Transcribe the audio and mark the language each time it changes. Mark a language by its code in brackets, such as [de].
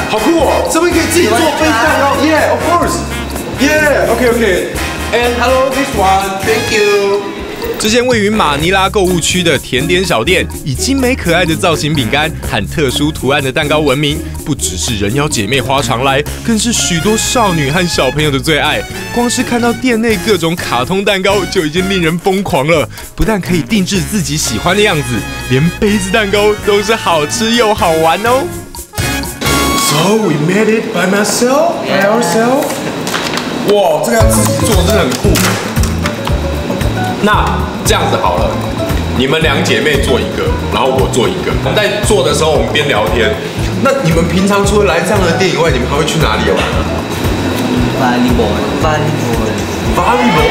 [zh] 好酷哦，这边可以自己做飞蛋糕， [en] yeah， of course， yeah， okay， okay， and hello， this one， thank you。 [zh] 这间位于马尼拉购物区的甜点小店，以精美可爱的造型饼干和特殊图案的蛋糕闻名，不只是人妖姐妹花常来，更是许多少女和小朋友的最爱。光是看到店内各种卡通蛋糕，就已经令人疯狂了。不但可以定制自己喜欢的样子，连杯子蛋糕都是好吃又好玩哦。 [en] So we made it by myself, by ourselves。 [zh] 哇，这个要自己做真的很酷。那这样子好了，你们两姐妹做一个，然后我做一个。在做的时候，我们边聊天。那你们平常除了来这样的店以外，你们还会去哪里玩？ [en] Volleyball。